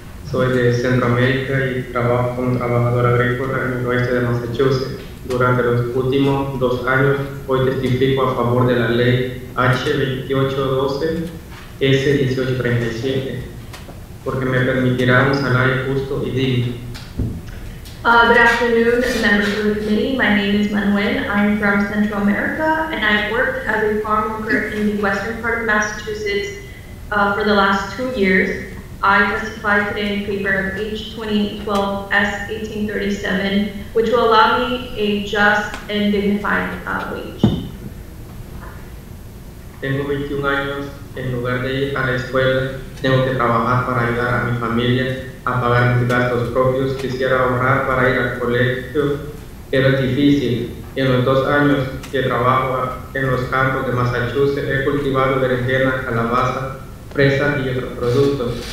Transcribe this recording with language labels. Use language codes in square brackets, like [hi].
[es] Soy de Centroamérica y trabajo como trabajador agrícola en el oeste de Massachusetts. Durante los últimos dos años, hoy testifico a favor de la ley H2812-S1837, porque me permitirá un salario justo y digno. [en] Good afternoon, members of the committee. My name is Manuel. I'm from Central America, and I've worked as a farm worker in the western part of Massachusetts for the last 2 years. I testify today in favor of H2812-S1837, which will allow me a just and dignified wage. [es] Tengo 21 años. En lugar de ir a la escuela, tengo que trabajar para ayudar a mi familia a pagar mis gastos propios. Quisiera ahorrar para ir al colegio, pero es difícil. En los 2 años que trabajo en los campos de Massachusetts, he cultivado berenjena, calabaza, fresa y otros productos.